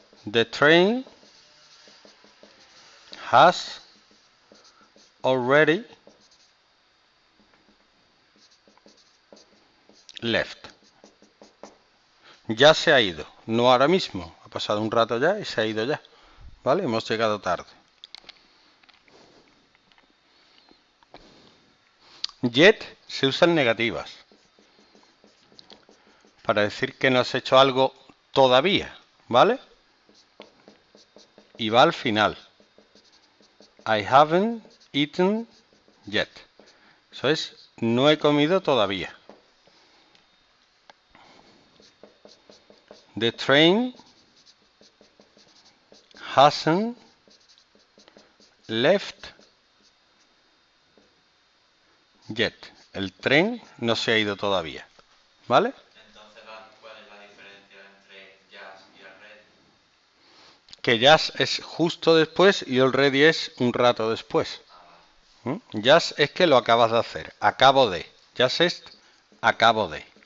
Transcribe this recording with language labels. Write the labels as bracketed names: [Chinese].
[English] The train has already left. [Spanish] Ya se ha ido, no ahora mismo. Ha pasado un rato ya y se ha ido ya. ¿Vale? Hemos llegado tarde. Yet se usan negativas para decir que no has hecho algo todavía. ¿Vale? Y va al final. [English] I haven't eaten yet. [Spanish] Eso es, no he comido todavía. [English] The train hasn't left yet. [Spanish] El tren no se ha ido todavía. ¿Vale? Que just es justo después y already es un rato después. Just es que lo acabas de hacer. Acabo de. Just es acabo de.